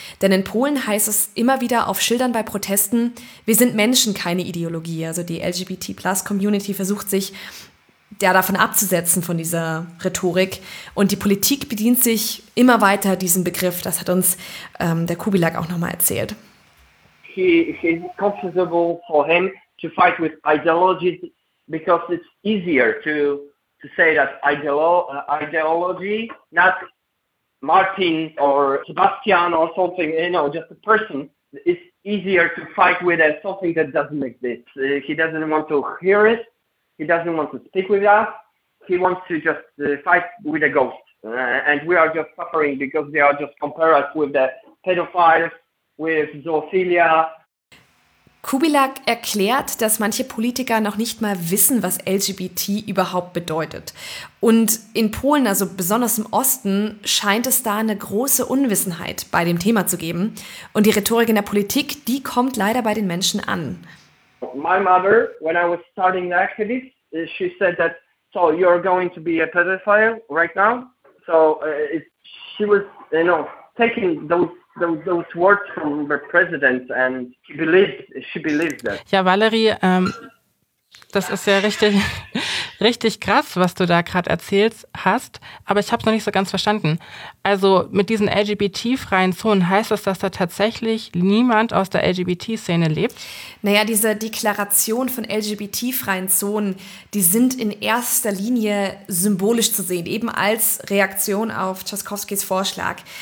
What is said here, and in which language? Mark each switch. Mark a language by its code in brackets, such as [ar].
[de] Denn in Polen heißt es immer wieder auf Schildern bei Protesten, wir sind Menschen, keine Ideologie. Also die LGBT-Plus-Community versucht sich davon abzusetzen, von dieser Rhetorik. Und die Politik bedient sich immer weiter diesem Begriff. Das hat uns der Kubilak auch nochmal erzählt. [en] He is comfortable for him to fight with ideology because it's easier to say that ideology, not Martin or Sebastian or something, just a person, is easier to fight with as something that doesn't exist. He doesn't want to hear it. He doesn't want to speak with us. He wants to just fight with a ghost. And we are just suffering because they are just compare us with the pedophiles, with zoophilia. [de] Kubilak erklärt, dass manche Politiker noch nicht mal wissen, was LGBT überhaupt bedeutet. Und in Polen, also besonders im Osten, scheint es da eine große Unwissenheit bei dem Thema zu geben. Und die Rhetorik in der Politik, die kommt leider bei den Menschen an. [en] My mother, when I was starting the activist, she said that, so you're going to be a pedophile right now? So she was, taking those words from the president and she believed that. [de] Ja, Valerie, das ist ja richtig, richtig krass, was du da gerade erzählt hast, aber ich habe es noch nicht so ganz verstanden. Also mit diesen LGBT-freien Zonen heißt das, dass da tatsächlich niemand aus der LGBT-Szene lebt? Naja, diese Deklaration von LGBT-freien Zonen, die sind in erster Linie symbolisch zu sehen, eben als Reaktion auf Trzaskowskis Vorschlag.